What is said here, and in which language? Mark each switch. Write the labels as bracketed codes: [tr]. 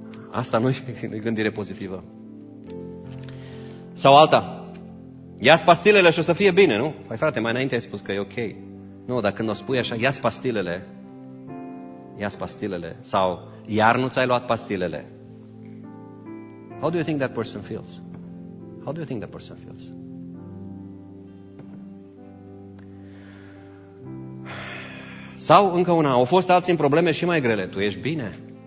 [ro] Asta nu e gândire pozitivă. Sau alta, ia-ți pastilele și o să fie bine, nu? Păi frate, mai înainte ai spus că e ok. Nu, dar când o spui așa, ia-ți pastilele. Sau, iar nu ți-ai luat pastilele. [en] How do you think that person feels? How do you think that person feels? [ro] Sau încă una, au fost alții în probleme și mai grele. Tu ești bine.